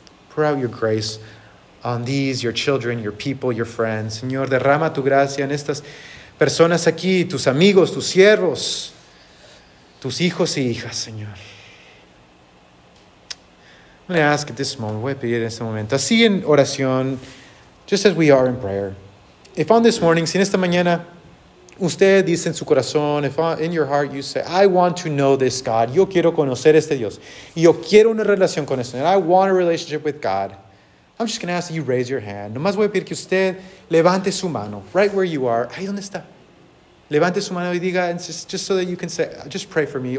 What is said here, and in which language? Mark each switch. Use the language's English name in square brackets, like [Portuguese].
[English] Pour out your grace on these, your children, your people, your friends. [Spanish] Señor, derrama tu gracia en estas personas aquí, tus amigos, tus siervos, tus hijos y hijas, Señor. [English] I'm going to ask at this moment, [Spanish] voy a pedir en este momento, así en oración, [English] just as we are in prayer. If on this morning, [Spanish] si en esta mañana, usted dice en su corazón, [English] in your heart you say, I want to know this God. [Spanish] Yo quiero conocer este Dios. Yo quiero una relación con este Señor. [English] I want a relationship with God. I'm just going to ask that you raise your hand. [Spanish] Nomás voy a pedir que usted levante su mano. [English] Right where you are. [Spanish] Ahí donde está. Levante su mano y diga, [English] and just so that you can say, just pray for me.